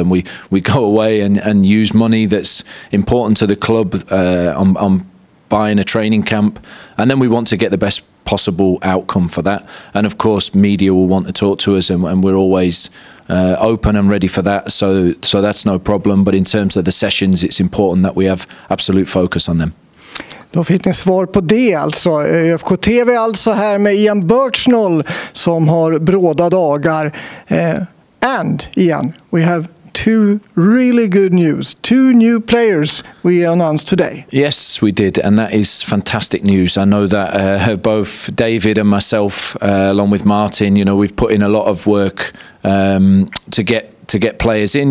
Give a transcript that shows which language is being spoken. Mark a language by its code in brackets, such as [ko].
[en] And we go away and use money that's important to the club on buying a training camp, and then we want to get the best possible outcome for that. And of course, media will want to talk to us, and we're always open and ready for that, so that's no problem. But in terms of the sessions, it's important that we have absolute focus on them. [sv] Då fick ni svar på det alltså. ÖFK TV alltså här med Ian Birchnall som har bråda dagar. [en] And Ian, we have two really good news. Two new players we announced today. Yes, we did. And that is fantastic news. I know that both David and myself, along with Martin, you know, we've put in a lot of work to get players in.